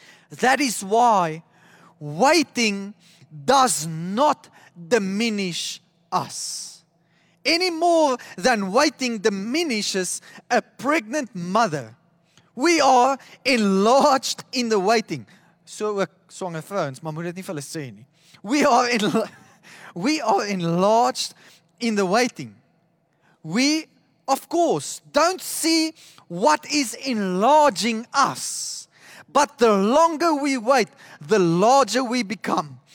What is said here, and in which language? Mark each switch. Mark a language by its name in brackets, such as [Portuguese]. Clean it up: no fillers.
[English] That is why waiting does not diminish us. Any more than waiting diminishes a pregnant mother. We are enlarged in the waiting. [Afrikaans] So ook swanger vrouens, maar moet dit nie vir hulle sê nie. [English] We are enlarged in the waiting. We Of course, don't see what is enlarging us. But the longer we wait, the larger we become.